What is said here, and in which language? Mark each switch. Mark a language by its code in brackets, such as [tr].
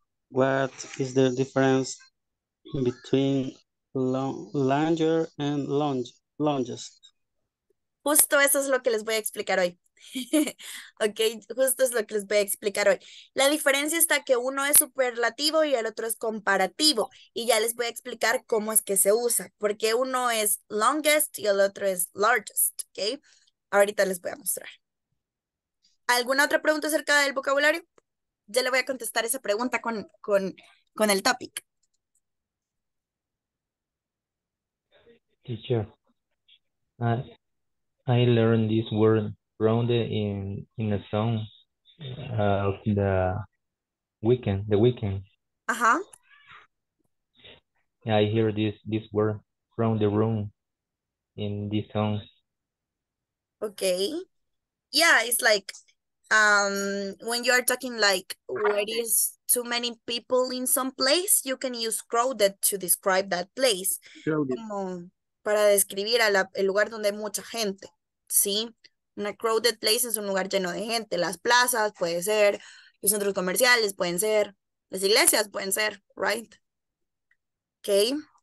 [en] What is the difference between larger and longest? [es] Justo eso es lo que les voy a explicar hoy. Ok, justo es lo que les voy a explicar hoy. La diferencia está que uno es superlativo y el otro es comparativo. Y ya les voy a explicar cómo es que se usa. Porque uno es longest y el otro es largest. Ok, ahorita les voy a mostrar. ¿Alguna otra pregunta acerca del vocabulario? Ya le voy a contestar esa pregunta con el topic. [en] Teacher, I learned this word. Grounded in a song of the weekend. Uh-huh. I hear this word from the room in this song. Okay. Yeah, it's like when you are talking like where is too many people in some place, you can use crowded to describe that place. [es] Como para describir el lugar donde hay mucha gente, ¿sí? Una crowded place es un lugar lleno de gente. Las plazas puede ser, los centros comerciales pueden ser, las iglesias pueden ser, right? [en] Okay.